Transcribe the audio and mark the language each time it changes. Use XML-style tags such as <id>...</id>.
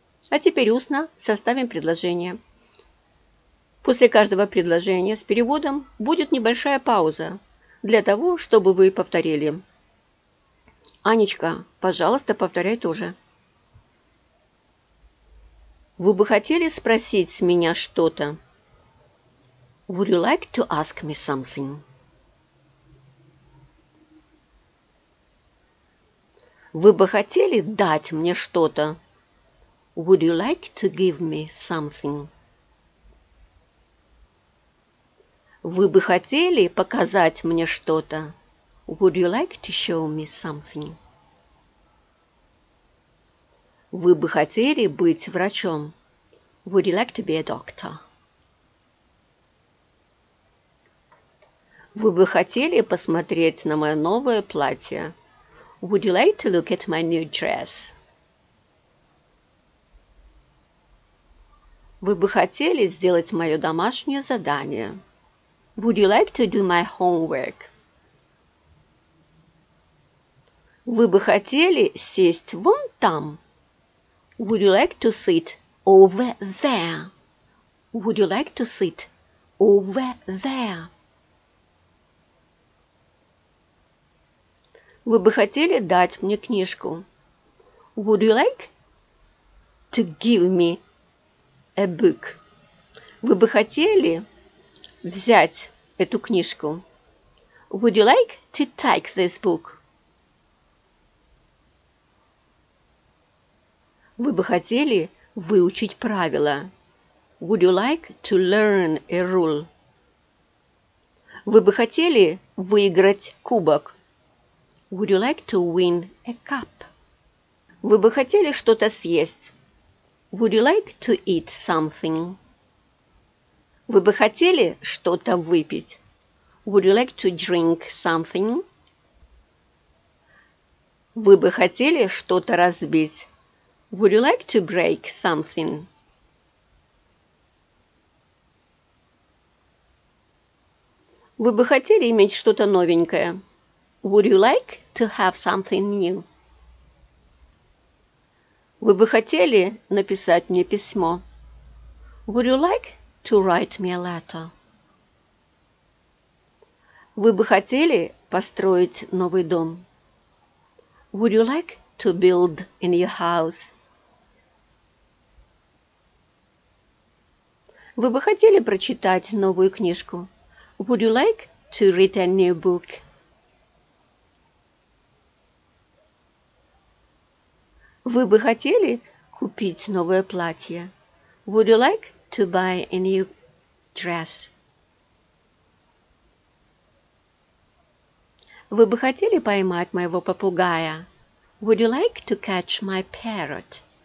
<ru>А теперь устно составим предложение. После каждого предложения с переводом будет небольшая пауза. Для того, чтобы вы повторили. Анечка, пожалуйста, повторяй тоже. Вы бы хотели спросить с меня что-то?</ru> <en>Would you like to ask me something?</en> <ru>Вы бы хотели дать мне что-то?</ru> <en>Would you like to give me something?</en> <ru>Вы бы хотели показать мне что-то?</ru> <en>Would you like to show me something?</en> <ru>Вы бы хотели быть врачом?</ru> <en>Would you like to be a doctor?</en> <ru>Вы бы хотели посмотреть на мое новое платье?</ru> <en>Would you like to look at my new dress?</en> <ru>Вы бы хотели сделать мое домашнее задание?</ru> <en>Would you like to do my homework?</en> <ru>Вы бы хотели сесть вон там?</ru> <en>Would you like to sit over there? Would you like to sit over there?</en> <ru>Вы бы хотели дать мне книжку?</ru> <en>Would you like to give me a book?</en> <ru>Вы бы хотели взять эту книжку?</ru> <en>Would you like to take this book?</en> <ru>Вы бы хотели выучить правила?</ru> <en>Would you like to learn a rule?</en> <ru>Вы бы хотели выиграть кубок?</ru> <en>Would you like to win a cup?</en> <ru>Вы бы хотели что-то съесть?</ru> <en>Would you like to eat something?</en> <ru>Вы бы хотели что-то выпить?</ru> <en>Would you like to drink something?</en> <ru>Вы бы хотели что-то разбить?</ru> <en>Would you like to break something?</en> <ru>Вы бы хотели иметь что-то новенькое?</ru> <en>Would you like to have something new?</en> <ru>Вы бы хотели написать мне письмо?</ru> <en>Would you like to write me a letter?</en> <ru>Вы бы хотели построить новый дом?</ru> <en>Would you like to build a new house?</en> <ru>Вы бы хотели прочитать новую книжку?</ru> <en>Would you like to read a new book?</en> <ru>Вы бы хотели купить новое платье?</ru> <en>Would you like to buy a new dress?</en> <ru>Вы бы хотели поймать моего попугая?</ru> <en>Would you like to catch my parrot?</en>